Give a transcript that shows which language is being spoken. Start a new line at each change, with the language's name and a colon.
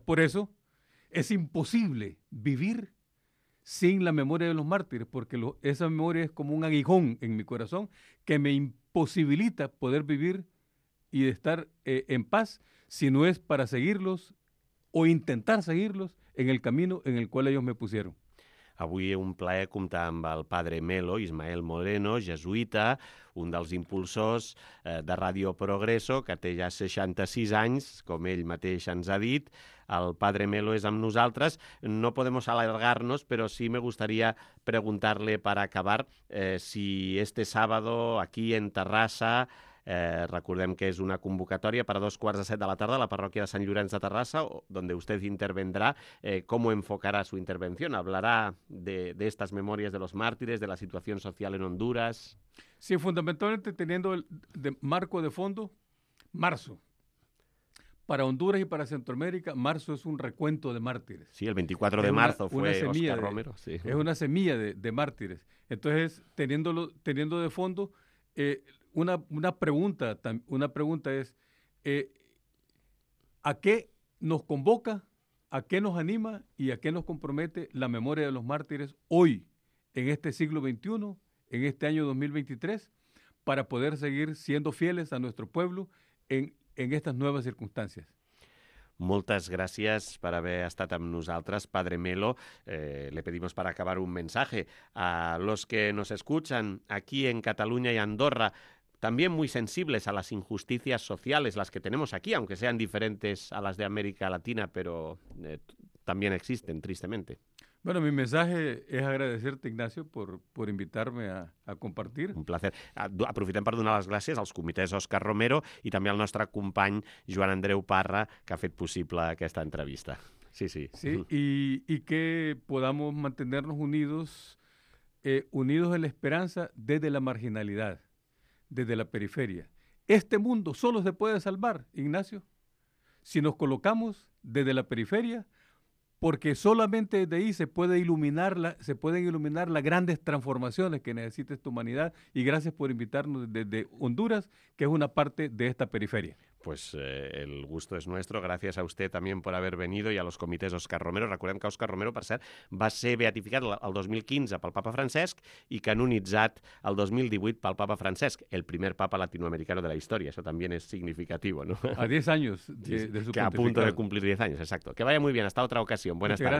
Spanish: Por eso es imposible vivir sin la memoria de los mártires, porque esa memoria es como un aguijón en mi corazón que me imposibilita poder vivir y estar en paz si no es para seguirlos o intentar seguirlos en el camino en el cual ellos me pusieron.
Catalan: Avui un plaer comptar amb el padre Melo, Ismael Moreno, jesuïta, un dels impulsors de Radio Progreso, que té ja 66 anys, com ell mateix ens ha dit. El padre Melo és amb nosaltres. No podem alargar-nos, però sí
Spanish: me gustaría
Catalan: preguntar-li per acabar si
Spanish: este sábado aquí en
Catalan: Terrassa... recordem que és una convocatòria per a 6:45 de la tarda a la parròquia de Sant Llorenç de Terrassa, on vostè intervendrà.
Spanish: ¿Cómo enfocará su intervención? ¿Hablará de estas memorias de los mártires, de la situación social en Honduras? Sí, fundamentalmente teniendo el marco de fondo, marzo. para Honduras y para Centroamérica, marzo es un recuento de mártires. Sí, el 24 de marzo fue una semilla Oscar Romero. Sí. Es una semilla de mártires. Entonces, teniendo de fondo, una pregunta es, ¿a qué nos convoca, a qué nos anima y a qué nos compromete la memoria de los mártires hoy, en este siglo XXI, en este año 2023, para poder seguir siendo fieles a nuestro pueblo en estas nuevas circunstancias?
Catalan: Moltes gràcies per haver estat amb nosaltres, Padre Melo.
Spanish: Le pedimos para acabar un mensaje a los que nos escuchan aquí en Cataluña y Andorra, también muy sensibles a las injusticias sociales, las que tenemos aquí, aunque sean diferentes a las de América Latina, pero también existen, tristemente. Bueno, mi mensaje es agradecerte, Ignacio, por invitarme a compartir. Un placer.
Catalan: Aprofitem per donar les gràcies als comitès Òscar Romero i també al nostre company Joan Andreu Parra, que ha fet possible aquesta entrevista.
Spanish: Sí, sí. Sí, y que podamos mantenernos unidos, unidos en la esperanza desde la marginalidad, desde la periferia. Este mundo solo se puede salvar, Ignacio, si nos colocamos desde la periferia, porque solamente desde ahí se pueden iluminar las grandes transformaciones que necesita esta humanidad. Y gracias por invitarnos desde Honduras, que es una parte de esta periferia. Pues el gusto es nuestro. Gracias a usted también por haber venido y a los comités Òscar Romero.
Catalan: Recordem que Òscar Romero, per cert, va ser beatificat el 2015 pel Papa Francesc i canonitzat el 2018 pel Papa Francesc, el primer papa latinoamericano de la història. Això també és significatiu, no? A 10 anys de su
Spanish: que a punto de cumplir 10 anys, exacto. Que vaya muy bien. Hasta otra ocasión. Buenas tardes.